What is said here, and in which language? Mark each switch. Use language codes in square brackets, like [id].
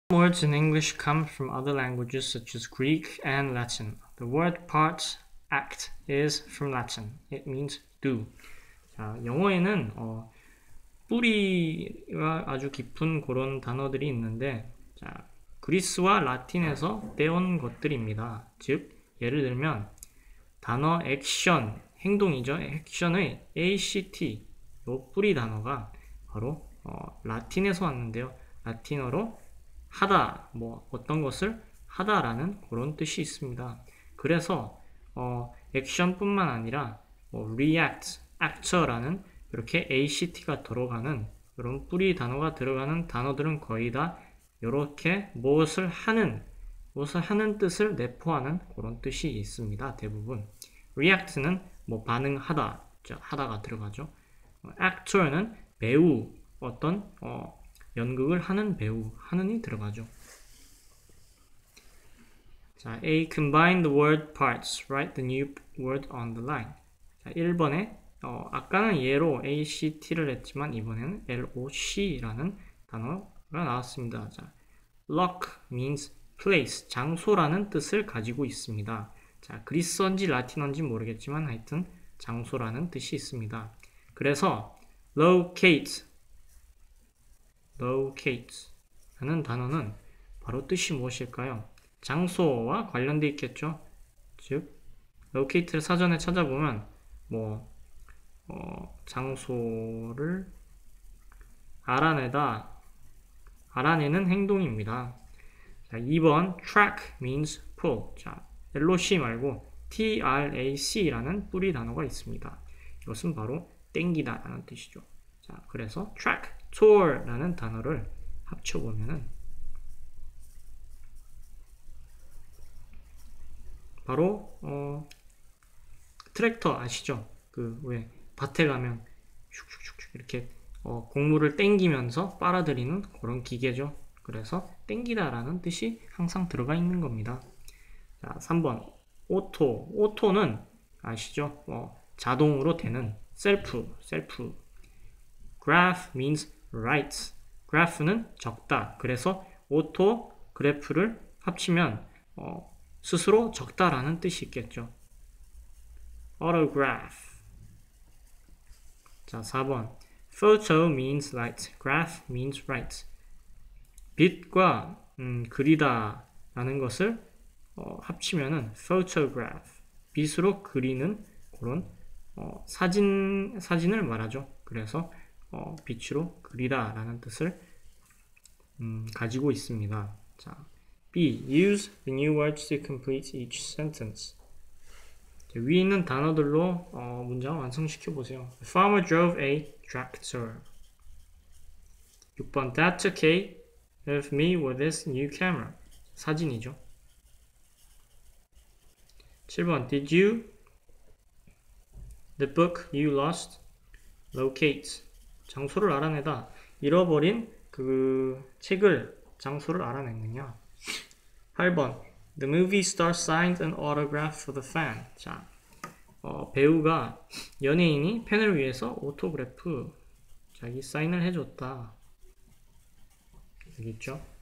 [en] Words in English come from other languages such as Greek and Latin. The word part, act, is from Latin. It means do. [ko] 자, 영어에는 뿌리가 아주 깊은 그런 단어들이 있는데, 자, 그리스와 라틴에서 떼온 것들입니다. 즉, 예를 들면 단어 action, 행동이죠. action의 act, 요 뿌리 단어가 바로 라틴에서 왔는데요. 라틴어로 하다, 뭐 어떤 것을 하다라는 그런 뜻이 있습니다. 그래서 액션뿐만 아니라 뭐 react, actor라는 이렇게 act가 들어가는 이런 뿌리 단어가 들어가는 단어들은 거의 다 이렇게 무엇을 하는 뜻을 내포하는 그런 뜻이 있습니다. 대부분 react는 뭐 반응하다, 하다가 들어가죠. actor는 배우, 어떤 연극을 하는 배우, 하는이 들어가죠. [en] 자, A. Combine the word parts. Write the new word on the line. [ko] 자, 1번에 아까는 예로 ACT를 했지만 이번에는 LOC라는 단어가 나왔습니다. 자, [en] Loc means place, [ko] 장소라는 뜻을 가지고 있습니다. 자, 그리스어인지 라틴어인지 모르겠지만 하여튼 장소라는 뜻이 있습니다. 그래서 locate라는 단어는 바로 뜻이 무엇일까요? 장소와 관련되어 있겠죠? 즉, locate를 사전에 찾아보면 뭐 장소를 알아내는 행동입니다. [en] 자, 2번 track means pull. [ko] 자, LOC 말고 TRAC라는 뿌리 단어가 있습니다. 이것은 바로 땡기다 라는 뜻이죠. 자, 그래서 track, tour라는 단어를 합쳐보면은 바로 트랙터 아시죠? 그 왜 밭에 가면 슉슉슉슉 이렇게 곡물을 땡기면서 빨아들이는 그런 기계죠. 그래서 땡기다라는 뜻이 항상 들어가 있는 겁니다. 자, 3번 오토. 오토는 아시죠? 자동으로 되는 셀프. [en] Graph means write. [ko] Graph는 적다. 그래서 오토 그래프를 합치면 스스로 적다라는 뜻이 있겠죠. [en] Autograph. 자, 4번 Photo means light. Graph means write. [ko] 빛과 그리다라는 것을 합치면은 photograph, 빛으로 그리는 그런 사진을 말하죠. 그래서 빛으로 그리다라는 뜻을 가지고 있습니다. 자, B. [en] Use the new words to complete each sentence. [ko] 자, 위에 있는 단어들로 문장을 완성시켜 보세요. [en] The farmer drove a tractor. 6번 That took a of me with this new camera. [ko] 사진이죠. [en] 7번 Did you the book you lost locate? [ko] 장소를 알아내다. 잃어버린 그 책을 장소를 알아냈느냐. [en] 8번 The movie star signed an autograph for the fan. [ko] 자, 배우가 연예인이 팬을 위해서 오토그래프 자기 사인을 해줬다. 알겠죠?